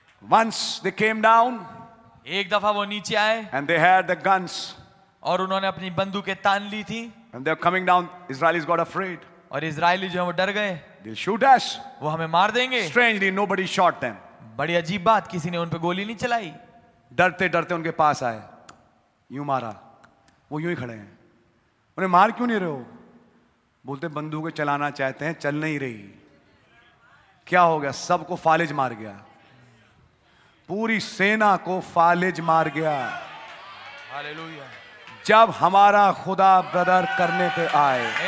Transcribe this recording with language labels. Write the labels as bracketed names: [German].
[English] once they came down, [Hindi] एक दफा वो नीचे आए. [English] and they had the guns, [Hindi] और उन्होंने अपनी बंदूकें तान ली थी. [English] and they are coming down, Israelis got afraid, [Hindi] और इज़राइली जो है वो डर गए. [English] they will shoot us, [Hindi] वो हमें मार देंगे. [English] strangely nobody shot them, [Hindi] बड़ी अजीब बात, किसी ने उन पर गोली नहीं चलाई. डरते डरते उनके पास आए, यूं मारा. वो यूं ही खड़े हैं, उन्हें मार क्यों नहीं रहे हो? बोलते बंदूकें चलाना चाहते हैं, चल नहीं रही. क्या हो गया? सबको फालिज मार गया, पूरी सेना को फालिज मार गया. हालेलुया. जब हमारा खुदा ब्रदर करने पे आए,